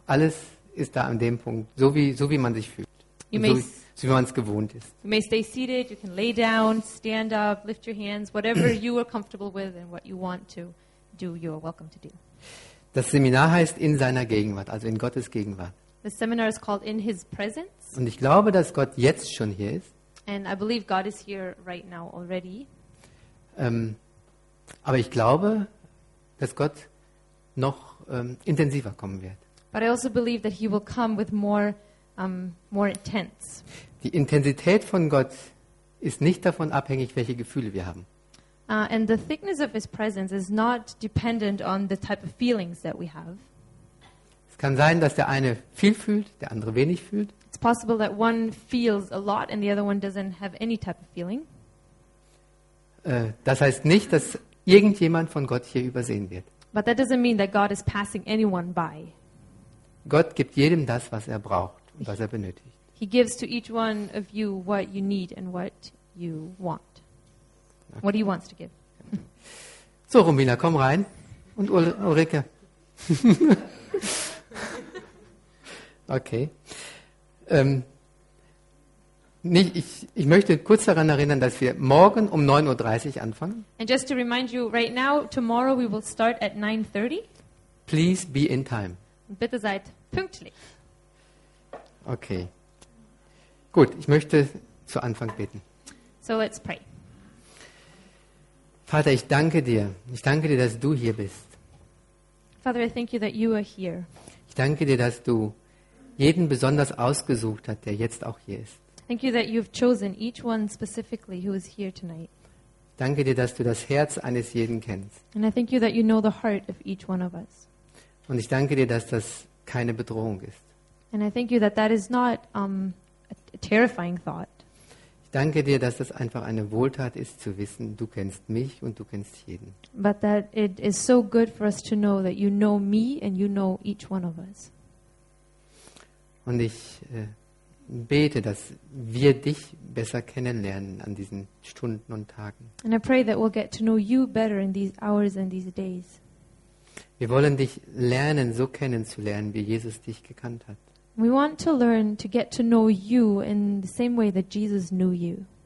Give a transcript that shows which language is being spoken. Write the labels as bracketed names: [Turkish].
[German] Alles ist da an dem Punkt, so wie man sich fühlt. So wie man es gewohnt ist. [English] You may stay seated, you can lay down, stand up, lift your hands, whatever you are comfortable with and what you want to do, you are welcome to do. [German] Das Seminar heißt in seiner Gegenwart, also in Gottes Gegenwart. [English] The seminar is called In His Presence. [German] Und ich glaube, dass Gott jetzt schon hier ist. [English] And I believe God is here right now already. [German] Aber ich glaube, dass Gott noch intensiver kommen wird. [English] But I also believe that he will come with more intense. [German] Die Intensität von Gott ist nicht davon abhängig, welche Gefühle wir haben. [English] And the thickness of his presence is not dependent on the type of feelings that we have. [German] Es kann sein, dass der eine viel fühlt, der andere wenig fühlt. [English] It's possible that one feels a lot and the other one doesn't have any type of feeling. [German] Das heißt nicht, dass irgendjemand von Gott hier übersehen wird. [English] But that doesn't mean that God is passing anyone by. [German] Gott gibt jedem das, was er braucht und was er benötigt. [English] He gives to each one of you what you need and what you want. Okay. What he wants to give. [German] So, Romina, komm rein. Und Ulrike. Okay. Ich möchte kurz daran erinnern, dass wir morgen um 9.30 Uhr anfangen. [English] And just to remind you, right now, tomorrow we will start at 9:30. Please be in time. [German] Bitte seid pünktlich. Okay. Gut, ich möchte zu Anfang beten. [English] So let's pray. [German] Vater, ich danke dir. Ich danke dir, dass du hier bist. [English] Father, I thank you that you are here. [German] Ich danke dir, dass du jeden besonders ausgesucht hast, der jetzt auch hier ist. [English] Thank you that you've chosen each one specifically who is here tonight. [German] Danke dir, dass du das Herz eines jeden kennst. [English] And I thank you that you know the heart of each one of us. [German] Und ich danke dir, dass das keine Bedrohung ist. [English] And I thank you that that is not a terrifying thought. [German] Ich danke dir, dass das einfach eine Wohltat ist zu wissen, du kennst mich und du kennst jeden. [English] But that it is so good for us to know that you know me and you know each one of us. [German] Und ich bete, dass wir dich besser kennenlernen an diesen Stunden und Tagen. [English] And I pray that we'll get to know you better in these hours and these days. [German] Wir wollen dich lernen, so kennenzulernen, wie Jesus dich gekannt hat. [English] We want to learn to get to know you in the same way that Jesus knew you.